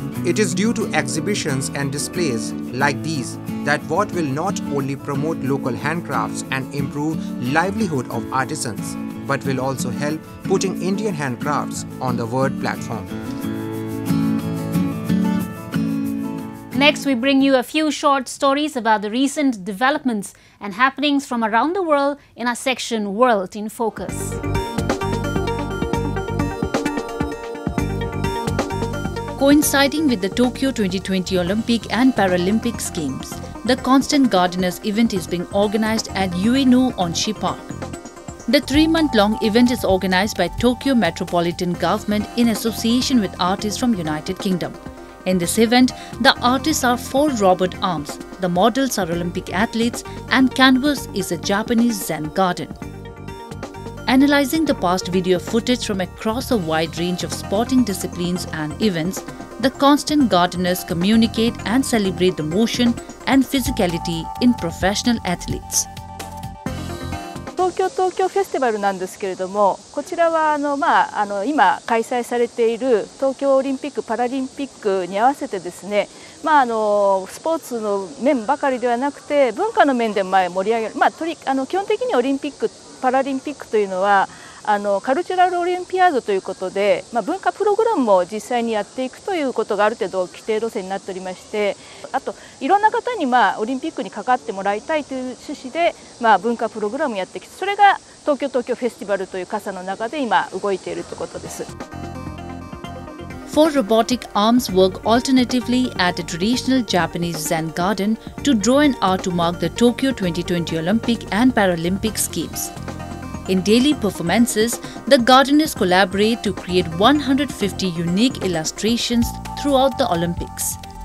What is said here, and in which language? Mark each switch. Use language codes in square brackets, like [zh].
[en] It is due to exhibitions and displays like these that what will not only promote local handcraft and improve livelihood of artisans but will also help putting Indian handcrafts on the world platform. Next, we bring you a few short stories about the recent developments and happenings from around the world in our section World in Focus. Coinciding with the Tokyo 2020 Olympic and Paralympic Games, the Constant Gardeners event is being organized at Ueno Onshi Park. The three-month-long event is organized by Tokyo Metropolitan Government in association with artists from United Kingdom. In this event, the artists are four robot arms, the models are Olympic athletes, and canvas is a Japanese Zen garden. Analyzing the past video footage from across a wide range of sporting disciplines and events, the Constant Gardeners communicate and celebrate the motion and physicality in professional athletes. [ja] 東京フェスティバルなんですけれども、こちらは今開催されている東京オリンピック・パラリンピックに合わせてですね、スポーツの面ばかりではなくて、文化の面でも盛り上げる、基本的にオリンピック・パラリンピックというのは、カルチュラルオリンピアードということで、文化プログラムも実際にやっていくということがある程度規定路線になっておりましてあといろんな方に、オリンピックに関わってもらいたいという趣旨で、文化プログラムをやってきてそれが東京フェスティバルという傘の中で今動いているということです [en] Four robotic arms work alternatively at a traditional Japanese Zen garden to draw an arc to mark the Tokyo 2020 Olympic and Paralympic schemesIn daily performances, the gardeners collaborate to create 150 unique illustrations throughout the Olympics.